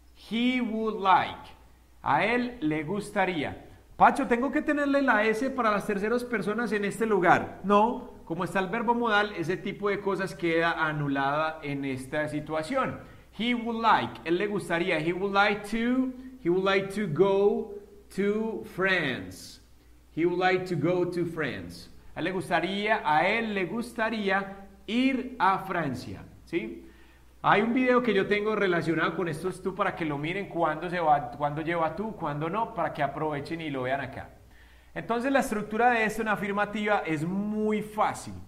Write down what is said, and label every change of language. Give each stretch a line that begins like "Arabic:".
English: He would like.
Spanish: A él le gustaría. Pacho, ¿tengo que tenerle la S para las terceras personas en este lugar? No, como está el verbo modal, ese tipo de cosas queda anulada en esta situación.
English: He would like,
Spanish: él le gustaría.
English: He would like to go to France. He would like to go to France.
Spanish: A él le gustaría, ir a Francia, ¿sí? Hay un video que yo tengo relacionado con esto, es tú para que lo miren, cuándo se va, cuándo lleva tú, cuándo no, para que aprovechen y lo vean acá. Entonces, la estructura de esto en afirmativa es muy fácil.